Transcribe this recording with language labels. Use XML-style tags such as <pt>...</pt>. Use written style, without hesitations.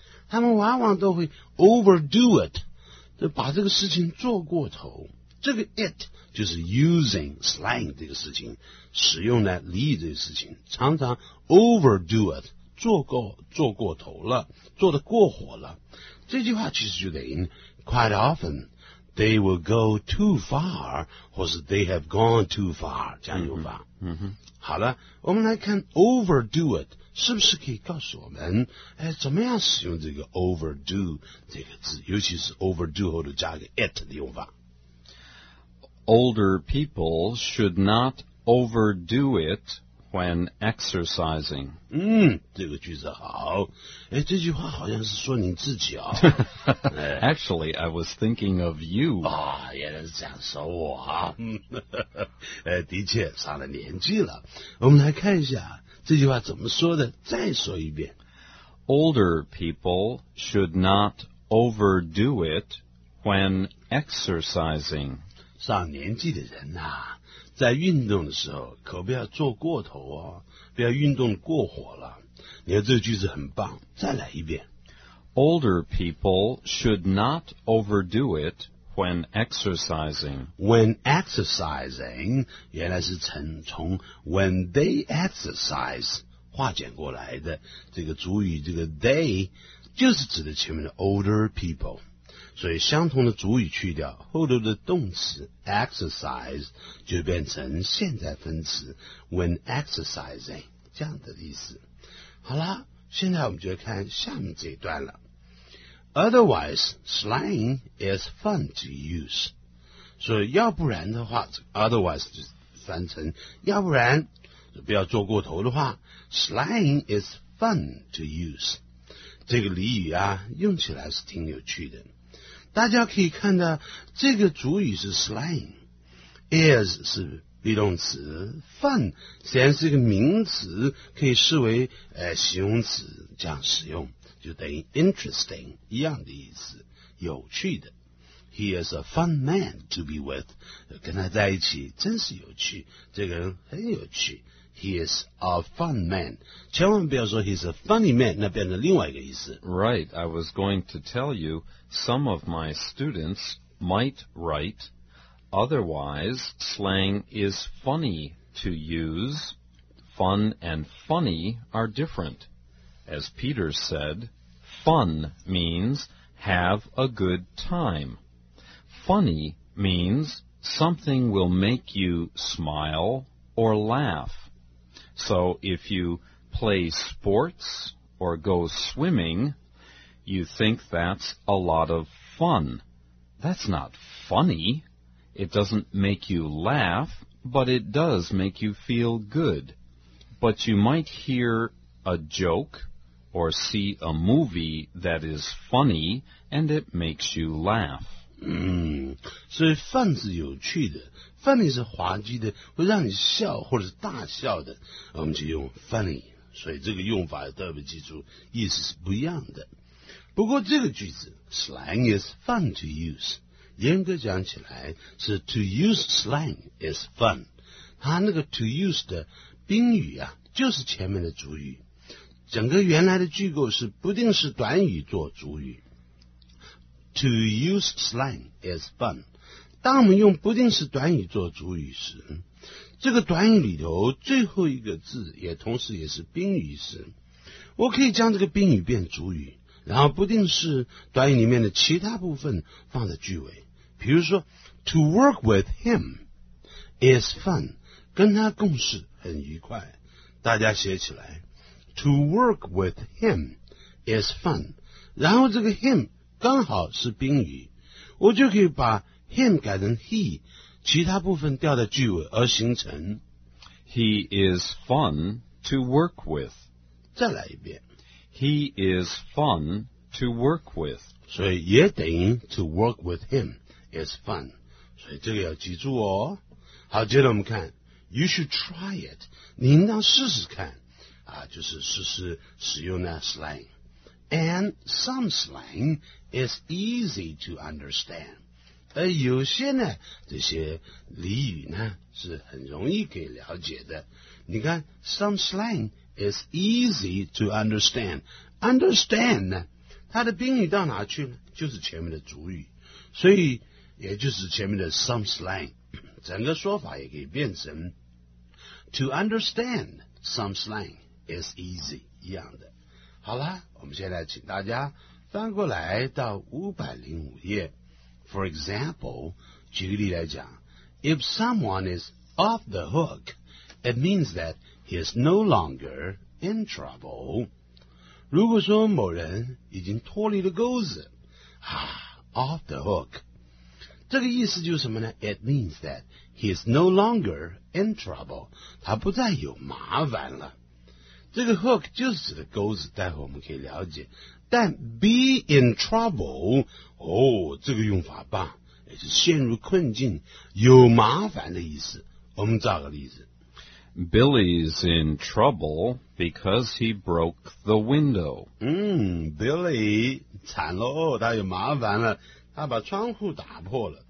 <zh>他们往往都会</zh> <en>overdo it</en> <zh>就把这个事情做过头这个 it 就是</zh> <en>using slang</en> <zh>这个事情使用呢俚语这个事情常常 overdo it 做过头了做得过火了这句话其实就等于</zh> <en>quite often they will go too far,</en> <zh>或是</zh> <en>they have gone too far,</en> <zh>这样用法。嗯哼。好了，我们来看</zh> <en>overdo it,</en> <zh>是不是可以告诉我们、哎、怎么样使用这个 overdo 这个字，尤其是 overdo 后头加个 it 的用法。</zh> <en>Older people should not overdo it,When exercising.</en> <zh>嗯，这个句子好。哎，这句话好像是说你自己啊。</zh> <en>Actually, I was thinking of you.</en> <zh>啊、哦，原来是这样说我啊。哎，的确上了年纪了。我们来看一下这句话怎么说的。再说一遍。</zh> <en>Older people should not overdo it when exercising.</en> <zh>上年纪的人啊。在运动的时候可不要做过头哦，不要运动过火了。你看这句子很棒，再来一遍。</zh> <en>Older people should not overdo it when exercising. When exercising,</en> <zh>原来是从</zh> <en>when they exercise,</en> <zh>化简过来的。这个主语这个 they, 就是指的前面的 older people。所以相同的主语去掉，后头的动词 exercise 就变成现在分词</zh> <en>when exercising</en> <zh>这样的意思。好啦，现在我们就看下面这一段了。</zh> <en>Otherwise, slang is fun to use.</en> <zh>所以要不然的话 ，otherwise 就翻成要不然，不要做过头的话 ，</zh> <en>slang is fun to use.</en> <zh>这个俚语啊，用起来是挺有趣的。大家可以看到这个主语是 slang, is 是 be 动词 fun, 虽然是一个名词可以视为、形容词这样使用就等于 interesting, 一样的意思有趣的。</zh> <en>He is a fun man to be with,</en> <zh>跟他在一起真是有趣这个人很有趣。</zh> <en>He is a fun man.</en> <zh>千万不要说</zh> <en>he's a funny man,</en> <zh>那变成另外一个意思。</zh> <en>Right, I was going to tell you, some of my students might write, otherwise slang is funny to use. Fun and funny are different. As Peter said, fun means have a good time. Funny means something will make you smile or laugh. So, if you play sports or go swimming, you think that's a lot of fun. That's not funny. It doesn't make you laugh, but it does make you feel good. But you might hear a joke or see a movie that is funny, and it makes you laugh. So, fun is</en> <zh>有趣的。 Funny 是滑稽的，会让你笑或者是大笑的，我们就用 funny。所以这个用法特别记住，意思是不一样的。不过这个句子</zh> <en>slang is fun to use，</en> <zh>严格讲起来是</zh> <en>to use slang is fun。</en> <zh>它那个 to use 的宾语啊，就是前面的主语。整个原来的句构是不定式短语做主语。</zh> <en>To use slang is fun。</en> <zh>当我们用不定式短语做主语时，这个短语里头最后一个字也同时也是宾语时，我可以将这个宾语变主语，然后不定式短语里面的其他部分放在句尾。比如说 ，</zh> <en>To work with him is fun，</en> <zh>跟他共事很愉快。大家写起来 ，</zh> <en>To work with him is fun，</en> <zh>然后这个 him 刚好是宾语，我就可以把。 Him 改成 he, 其他部分掉在句尾而形成。</zh> <en>He is fun to work with.</en> <zh>再来一遍。</zh> <en>He is fun to work with.</en> <zh>所以也等于</zh> <en>to work with him is fun.</en> <zh>所以这个要记住哦。好，接着我们看。</zh> <en>You should try it.</en> <zh>你应当试试看。啊，就是试试使用那 slang.</zh> <en>And some slang is easy to understand.</en> <zh>有些呢这些俚语呢是很容易可以了解的。你看</zh> <en>,some slang is easy to understand.</en> <zh>Understand 呢它的宾语到哪去呢就是前面的主语。所以也就是前面的 some slang, 整个说法也可以变成</zh> <en>to understand some slang is easy,</en> <zh>一样的。好啦我们现在请大家翻过来到505页。</zh> <en>For example,</en> <zh>举个例来讲</zh> <en>if someone is off the hook, it means that he is no longer in trouble.</en> <zh>如果说某人已经脱离了钩子、</zh> <en>off the hook,</en> <zh>这个意思就是什么呢</zh> <en>it means that he is no longer in trouble.</en> <zh>他不再有麻烦了。这个 hook 就是指的钩子，待会我们可以了解。但</zh> <en>be in trouble，</en> <zh>哦，这个用法棒，也是陷入困境、有麻烦的意思。我们找个例子</zh> <en>：Billy's in trouble because he broke the window.</en> <zh>Billy 惨喽，他有麻烦了，他把窗户打破了。</zh>